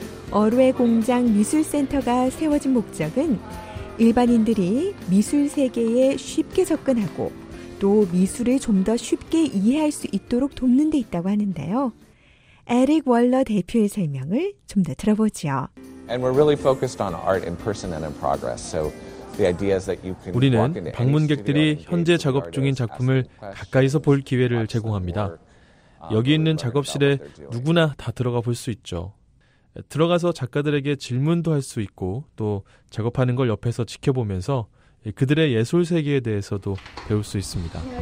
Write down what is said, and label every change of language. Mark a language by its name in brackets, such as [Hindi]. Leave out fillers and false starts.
[Korean] 어뢰 공장 미술센터가 세워진 목적은 일반인들이 미술 세계에 쉽게 접근하고 또 미술을 좀 더 쉽게 이해할 수 있도록 돕는 데 있다고 하는데요. 에릭 월러 대표의 설명을 좀 더 들어보죠. [English] And we're really focused on art in person and in progress. So [Korean] 우리는 방문객들이 현재 작업 중인 작품을 가까이서 볼 기회를 제공합니다. 여기 있는 작업실에 누구나 다 들어가 볼 수 있죠. 들어가서 작가들에게 질문도 할 수 있고 또 작업하는 걸 옆에서 지켜보면서 그들의 예술 세계에 대해서도 배울 수 있습니다.